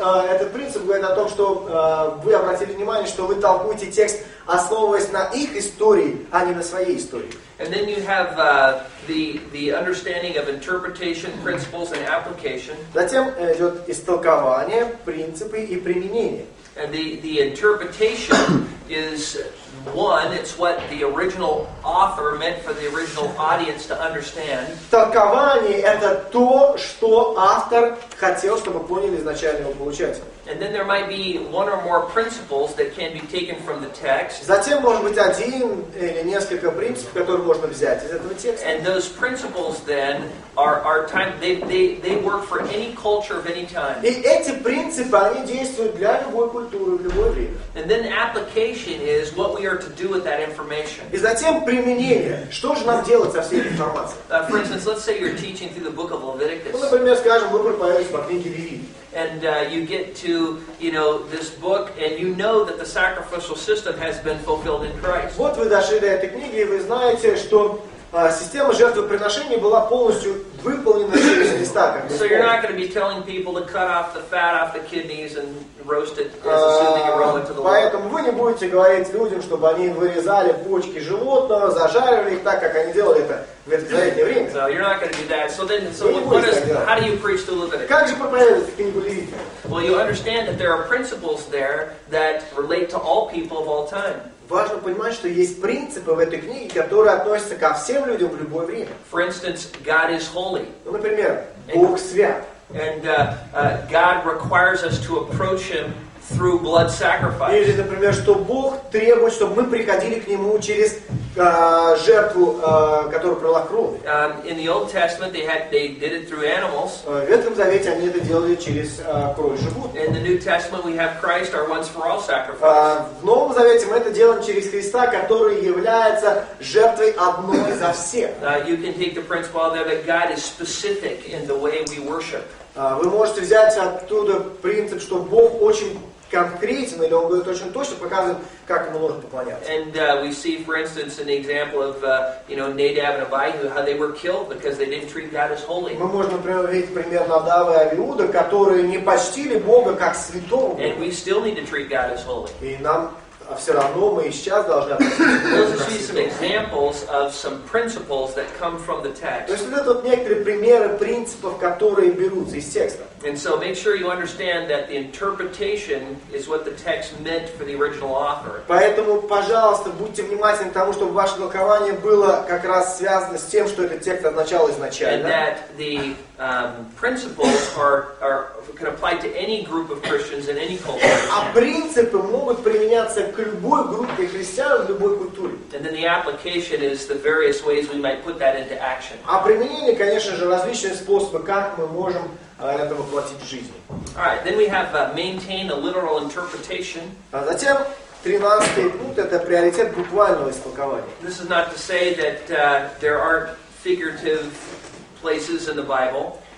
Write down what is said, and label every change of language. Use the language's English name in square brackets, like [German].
[Russian] Этот принцип говорит о том, что вы обратили внимание, что вы толкуете текст, основываясь на их истории, а не на своей истории. [English] And then you have the understanding of interpretation, principles, and application. [Russian] Затем идет истолкование, принципы и применение. [English] And the interpretation is one, it's what the original author meant for the original audience to understand. [Russian] Толкование — это то, что автор хотел, чтобы поняли изначального получателя. [English] And then there might be one or more principles that can be taken from the text. [Russian] Затем может быть один или несколько принципов, которые можно взять из этого текста. [English] And those principles then are time, they work for any culture of any time. [Russian] И эти принципы, они действуют для любой культуры, в любое время. [English] And then application is what we are here to do with that information. [Russian] И затем применение. Что же нам делать со всей информацией? [English] For instance, let's say you're teaching through the book of Leviticus. [Russian] Ну, например, скажем, вы проповедуете по книге Левит. [English] And you get to, you know, this book, and you know that the sacrificial system has been fulfilled in Christ. [Russian] Вот вы дошли до этой книги, и вы знаете, что система жертвоприношения была полностью выполнена через Христа. [English] So you're not going to be telling people to cut off the fat off the kidneys and roast it as a soothing aroma to the Lord. [Russian] Поэтому вы не будете говорить людям, чтобы они вырезали почки животного, зажаривали их так, как они делали это в это заветное время. [English] So you're not going to do that. So then, how do you preach the Leviticus? [Russian] Как же проповедовать книгу Левит? [English] Well, you understand that there are principles there that relate to all people of all time. [Russian] Важно понимать, что есть принципы в этой книге, которые относятся ко всем людям в любое время. [English] For instance, God is holy. [Russian] Ну, например, Бог свят. [English] And God requires us to approach Him through blood sacrifice. [Russian] Или, например, что Бог требует, чтобы мы приходили к Нему через жертву, которую пролила кровь. [English] In the Old Testament, they did it through animals. [Russian] В Ветхом Завете они это делали через кровь животных. [English] In the New Testament, we have Christ, our once-for-all sacrifice. [Russian] В Новом Завете мы это делаем через Христа, который является жертвой одной за всех. [English] You can take the principle there that God is specific in the way we worship. [Russian] Вы можете взять оттуда принцип, что Бог очень конкретен, или Он говорит очень точно, показывает, как Ему нужно поклоняться. [English] And we see, for instance, in the example of, you know, Nadab and Abihu, how they were killed because they didn't treat God as holy. [Russian] Мы можем, например, видеть пример Надава и Авиуда, которые не почтили Бога как святого. [English] And we still need to treat God as holy. [Russian] И нам все равно мы и сейчас должны относиться к нам. То есть вот это вот некоторые примеры принципов, которые берутся из текста. [English] And so make sure you understand that the interpretation is what the text meant for the original author. [Russian] Поэтому, пожалуйста, будьте внимательны к тому, чтобы ваше толкование было как раз связано с тем, что этот текст означал изначально. [English] And that the principles are can apply to any group of Christians in any culture. [Russian] А принципы могут применяться к любой группе христиан в любой культуре. [English] And then the application is the various ways we might put that into action. [Russian] А применение, конечно же, различные способы, как мы можем это воплотить в жизни. [English] Alright, then we have maintain a literal interpretation. [Russian] А затем 13-й пункт это приоритет буквального истолкования. [English] This is not to say that there aren't figurative places in the Bible.